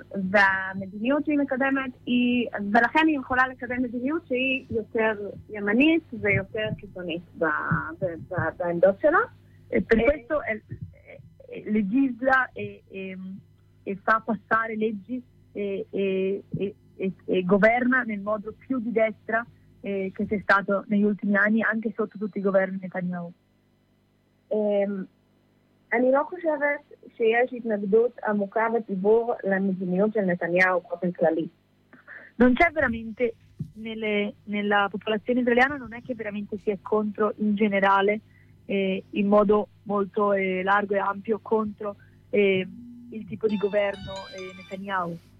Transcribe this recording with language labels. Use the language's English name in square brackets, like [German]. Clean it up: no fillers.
[Hebrew] והמדיניות שהיא מקדמת היא, ולכן היא יכולה לקדם מדיניות שהיא יותר ימנית ויותר קיצונית בעמדות שלה. [Italian] Per questo legisla e fa passare leggi e governa nel modo più di destra che c'è stato negli ultimi anni anche sotto tutti i governi Netanyahu. [Hebrew] אני לא חושבת שיש התנגדות עמוקה בציבור למדיניות של נתניהו באופן כללי. [Italian] Non c'è veramente nella popolazione israeliana, non è che veramente si è contro in generale in modo molto largo e ampio contro il tipo di governo Netanyahu.